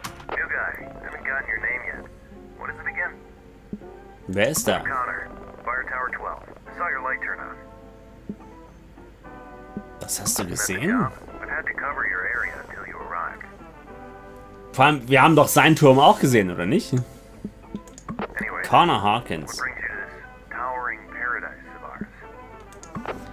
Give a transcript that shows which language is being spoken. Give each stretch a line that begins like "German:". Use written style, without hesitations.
English: New guy, I haven't gotten your name yet. What is it again?
German: Wer ist da?
English: Connor, Fire Tower 12. I saw your light turn on.
German: Was hast du gesehen?
English: I've had to cover your area until you arrive.
German: Vor allem, wir haben doch seinen Turm auch gesehen, oder nicht?
English: Anyway, Connor Hawkins. What brings you to this towering paradise of ours?